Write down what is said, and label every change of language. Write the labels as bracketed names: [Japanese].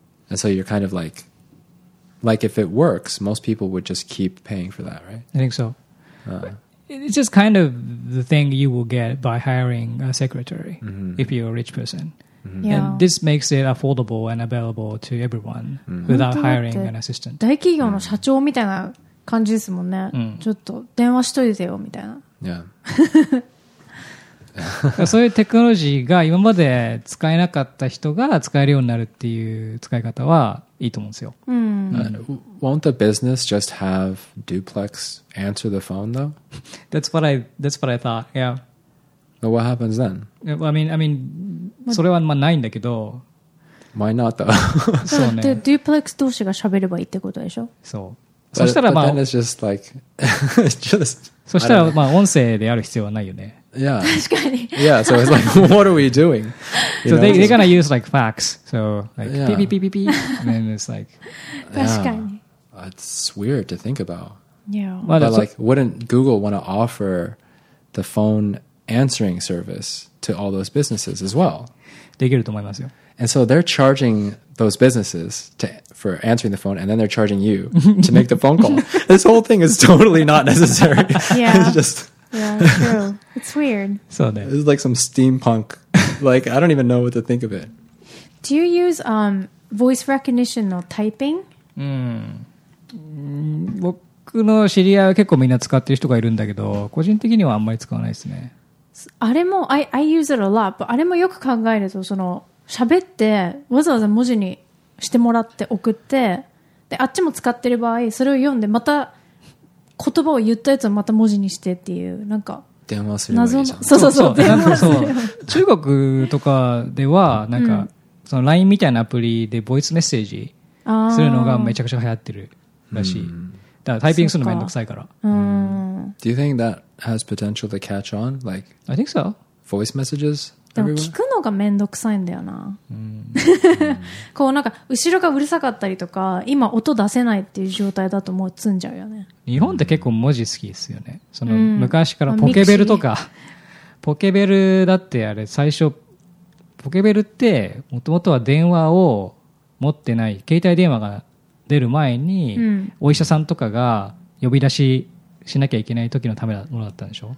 [English] And so you're kind of like if it works, most people would just keep paying for that, right? I think so. It's just kind of the thing you will get by hiring a secretary if you're a rich person. And this makes it affordable and available to everyone without hiring an assistant. [Japanese] 大企業の社長みたいな感じですもんね。ちょっと電話しといてよみたいな。 [English] Yeah. [Japanese] そういうテクノロジーが今まで使えなかった人が使えるようになるっていう使い方はいいと思うんですよ。 [English] Won't the business just have Duplex answer the phone though? That's what I thought. Yeah. But what happens then? Well, I mean, [Japanese] それはまあないんだけど。 [English] Why not though? [Japanese] そうね。で、Duplex 同士が喋ればいいってことでしょ？そう。そしたらまあ。 [English] But then it's just like just. [Japanese] そしたらまあ音声である必要はないよね。 [English] Yeah. [Japanese] 確かに。 [English] Yeah. So it's like, what are we doing? So they're gonna use like fax. So like beep beep beep beep beep. And then it's like. [Japanese] 確かに。 [English] It's weird to think about. Yeah. But like, wouldn't Google want to offer the phone answering service to all those businesses as well? [Japanese] できると思いますよ。 [English] And so they're charging those businesses for answering the phone, and then they're charging you to make the phone call. This whole thing is totally not necessary. Yeah. It's just... Yeah, it's true. It's weird. So then. This is like some steampunk. Like, I don't even know what to think of it. Do you use voice recognition or typing? [Japanese] うん、僕の知り合いは結構みんな使ってる人がいるんだけど、個人的にはあんまり使わないですね。あれも [English] I use it a lot but [Japanese] あれもよく考えるとその喋ってわざわざ文字にしてもらって送ってであっちも使ってる場合それを読んでまた言葉を言ったやつをまた文字にしてっていうなんか電話するのがいいじゃん。そうそうそう。なんかそう中国とかではなんか、うん、その LINE みたいなアプリでボイスメッセージするのがめちゃくちゃ流行ってるらしい。だからタイピングするのめんどくさいから。 [English] Do you think that has potential to catch on? Like, I think so. Voice messages. [Japanese] でも聞くのがめんどくさいんだよな。こうなんか後ろがうるさかったりとか、今音出せないっていう状態だともう詰んじゃうよね。日本って結構文字好きですよね。その昔からポケベルとか、ポケベルだってあれ最初、ポケベルってもともとは電話を持ってない、携帯電話が出る前に、お医者さんとかが呼び出し、しなきゃいけない時のためのものだったんでしょ、